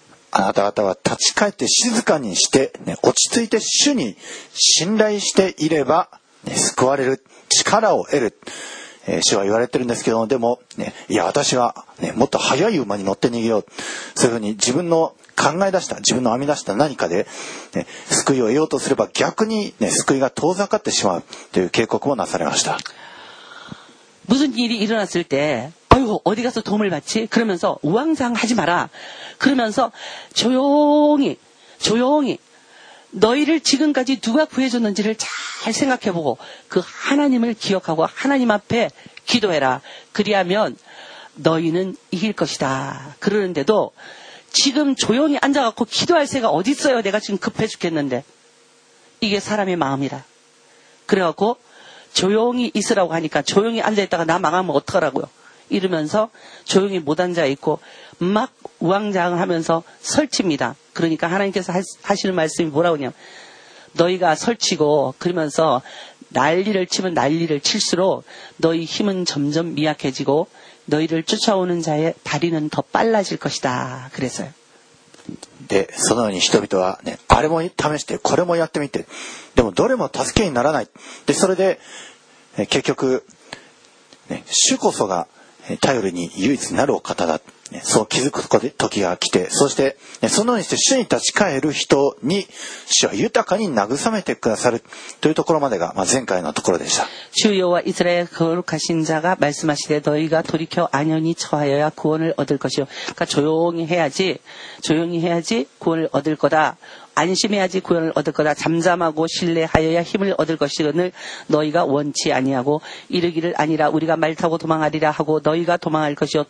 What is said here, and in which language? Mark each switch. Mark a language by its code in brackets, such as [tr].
[ja] あなた方は立ち返って静かにして、ね、落ち着いて主に信頼していれば、ね、救われる力を得る主は言われてるんですけども、でも、ね、いや私は、ね、もっと速い馬に乗って逃げよう、そういうふうに自分の考え出した自分の編み出した何かで、ね、救いを得ようとすれば逆に、ね、救いが遠ざかってしまうという警告もなされました。 무 [ko] 무슨 일이 일어났을 때 아이고 어디 가서 도움을 받지? 그러면서 우왕좌왕하지 마라. 그러면서 조용히 조용히 너희를 지금까지 누가 구해줬는지를 잘 생각해보고 그 하나님을 기억하고 하나님 앞에 기도해라. 그리하면 너희는 이길 것이다. 그러는데도 지금 조용히 앉아갖고 기도할 새가 어디 있어요? 내가 지금 급해 죽겠는데. 이게 사람의 마음이라. 그래갖고 조용히 있으라고 하니까 조용히 앉아있다가 나 망하면 어떡하라고요? 이러면서 조용히 못 앉아있고 막 우왕좌왕하면서 설칩니다. 그러니까 하나님께서 하시는 말씀이 뭐라고 하냐면 너희가 설치고 그러면서 난리를 치면 난리를 칠수록 너희 힘은 점점 미약해지고 너희를 쫓아오는 자의 다리는 더 빨라질 것이다. 그래서요. [ja] 네, その人々はね、あれも試して、これもやってみて、でもどれも助けにならない。で、それで、結局、ね、主こそが頼りに唯一なるお方だ。そう気づく時が来て、そしてね、そのようにして主に立ち返る人には、主は豊かに慰めてくださるというところまでが、前回のところでした。 [ko] 주여와 이스라엘 거룩하신 자가 말씀하시되 너희가 돌이켜 안연히 처하여야 구원을 얻을 것이요. 그러니까 조용히 해야지 구원을 얻을 거다. 안심해야지 구원을 얻을 거다. 잠잠하고 신뢰하여야 힘을 얻을 것이거늘 너희가 원치 아니하고 이르기를 아니라 우리가 말 타고 도망하리라 하고 너희가 도망할 것이요.